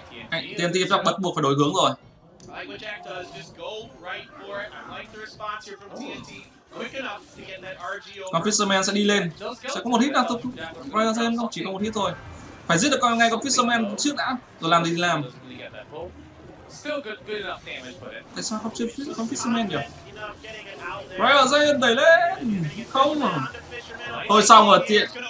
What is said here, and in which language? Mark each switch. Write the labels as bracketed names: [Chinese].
[Vietnamese] TNT chắc bắt buộc phải đổi hướng rồi. [English] Like what Jack does, just go right for it. I like the response here from TNT. Quick enough to get that RG over. [Vietnamese] Con Fisherman sẽ đi lên. Sẽ có một hit nào thôi. Quay ra xem không? Chỉ có một hit thôi. Phải giết được con ngay con Fisherman trước đã. Rồi làm gì thì làm. [English] Still good enough damage, [Vietnamese] tại sao không chơi phí con Fisherman nhỉ? Quay ra xem đẩy lên. Không mà. Thôi xong rồi tiện.